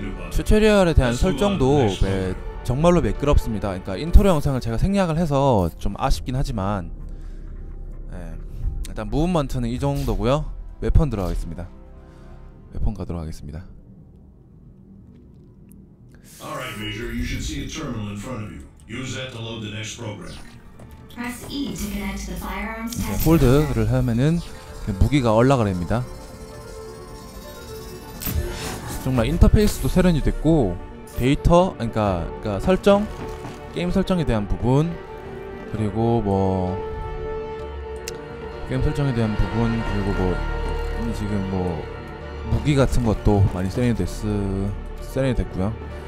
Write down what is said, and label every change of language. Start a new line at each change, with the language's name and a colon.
Korean: 튜토리얼에 대한 설정도 정말로 매끄럽습니다. 그러니까 인트로 영상을 제가 생략을 해서 좀 아쉽긴 하지만, 일단 무브먼트는 이 정도고요. 웨펀 들어가겠습니다. 웨펀 가도록 하겠습니다.
English: All right, Major, you should see a terminal in front of you. Use that to load the next program. Press E to connect the firearms test.
Korean: 홀드를 하면은 무기가 올라가랍니다. 정말 인터페이스도 세련이 됐고, 데이터, 그러니까 설정, 게임 설정에 대한 부분, 그리고 뭐 게임 설정에 대한 부분, 그리고 뭐 지금 뭐 무기 같은 것도 많이 세련이 됐고요.